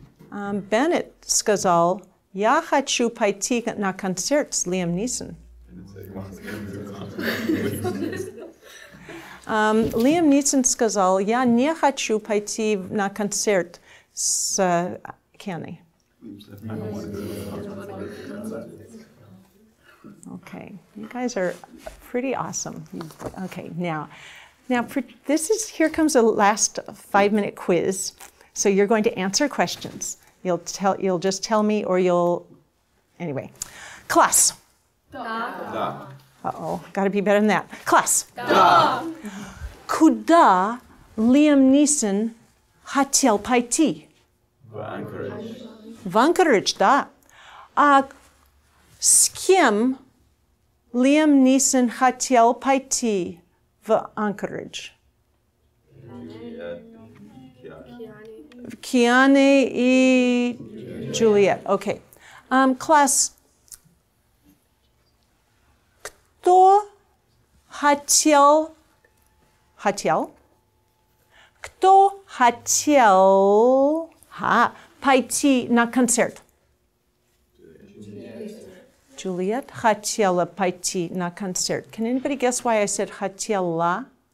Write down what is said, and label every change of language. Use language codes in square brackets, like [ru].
[ru] Bennett сказал, я хочу пойти на концерт с Лиам Нисон. Лиам Нисон сказал, я не хочу пойти на концерт с Кенни. [en] Okay, you guys are pretty awesome. Okay, now for this is here comes a last 5-minute quiz. So you're going to answer questions. You'll just tell me or you'll anyway. Class. [ru] Da. [en] Uh-oh, got to be better than that. Class. [ru] Da. Куда Лиам Нисон хотел пойти? В Анкоридж. В Анкоридж, да. С кем Лиам Нисон хотел пойти в Анкоридж? Кианы и Джулиет. [en] Okay. [ru] Класс. Кто хотел? Кто хотел пойти на концерт? Juliet хотела пойти на концерт. [en] Can anybody guess why I said хотела?